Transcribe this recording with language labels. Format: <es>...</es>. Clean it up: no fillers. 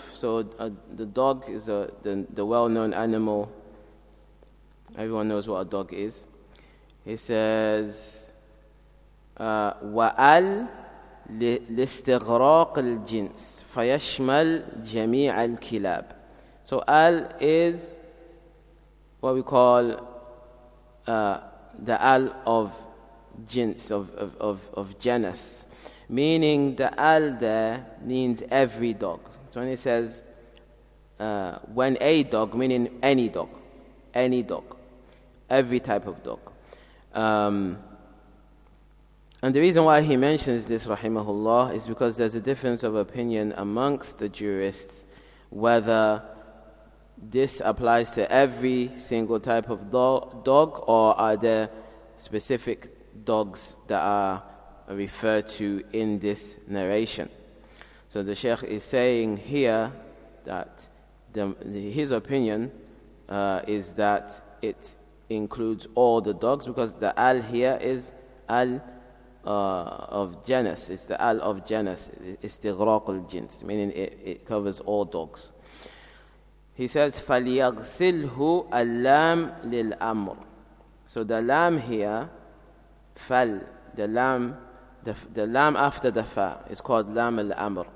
<en>So the dog is the well-known animal. Everyone knows what a dog is. He says,</en> <ar>وَأَلْ لِاسْتِغْرَاقِ الْجِنْسِ فَيَشْمَلْ جَمِيعَ الْكِلَابِ.</ar> <en>So أَلْ is what we call the أَلْ of جِنْس, of genus, meaning the أَلْ there means every dog. So when it says when a dog, meaning any dog, every type of dog. And the reason why he mentions this, rahimahullah, is because there's a difference of opinion amongst the jurists whether this applies to every single type of dog, or are there specific dogs that are referred to in this narration. So the Sheikh is saying here that his opinion is that it includes all the dogs, because the al here is al of genus. It's the al of genus. It's the istighraq al-jins, meaning it covers all dogs. He says,</en> <ar>فَلْيَغْسِلْهُ اللَّام لِلْأَمْرِ.</ar> <en>So the lam here, fal, the lam after the fa, is called lam al-amr.</en>